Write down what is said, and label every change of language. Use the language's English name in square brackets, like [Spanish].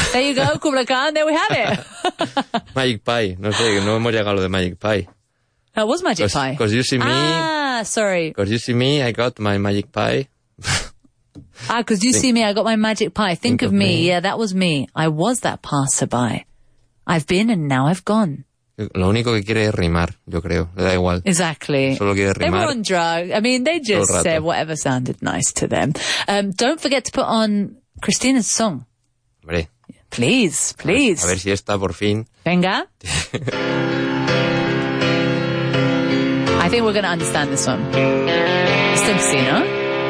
[English] There you go, Kublai Khan, there we have it. Magic pie. [Spanish] No sé, no hemos llegado a lo de magic pie. [English] That was magic pie. Because you see me. Sorry. Because you see me, I got my magic pie. because you see me, I got my magic pie. Think of me. Yeah, that was me. I was that passerby. I've been and now I've gone. [Spanish] Lo único que quiere es rimar, yo creo. Le da igual. [English] Exactly. [Spanish] Solo quiere rimar. [English] They were on drugs. I mean, they just said whatever sounded nice to them. Don't forget to put on Christina's song. [Spanish] Hombre. [English] Please, please. [Spanish] A ver si está por fin. Venga. [English] I think we're going to understand this one. Simpson, ¿no?